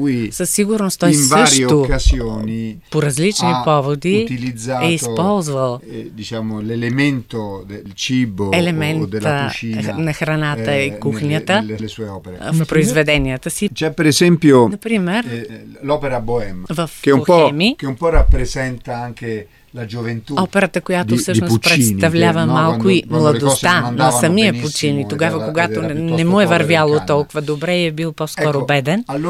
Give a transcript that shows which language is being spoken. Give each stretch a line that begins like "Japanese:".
Bulgarian: Със сигурност той също по различни поводи е използвал елемента на храната и кухнята в произведенията си. Например, l'opera Bohème, в Bohème,
Italian: che un po' rappresenta anche la gioventù.
Bulgarian: Операта, която всъщност представлява малко и младостта на самия Пучини, тогава, когато не му е вървяло толкова добре и е бил по-скоро беден.